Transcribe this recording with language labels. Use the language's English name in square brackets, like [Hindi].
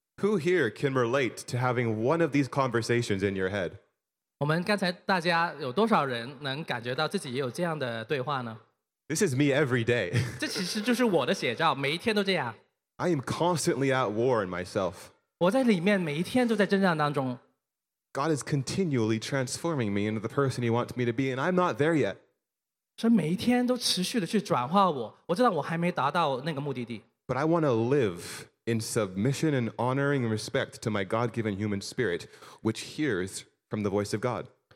[English] Who here can relate to having one of these conversations in your head? [Chinese] 我们刚才大家有多少人能感觉到自己也有这样的对话呢? [English] This is me every day. [Chinese] 这其实就是我的写照,每一天都这样。 [English] I am constantly at war in myself. [Chinese] 我在里面每一天都在征战当中。 [English] God is continually transforming me into the person he wants me to be, and I'm not there yet. [Chinese] 神每一天都持续地去转化我,我知道我还没达到那个目的地。 [English] But I want to live in submission and honoring respect to my God-given human spirit, which hears from the voice of God.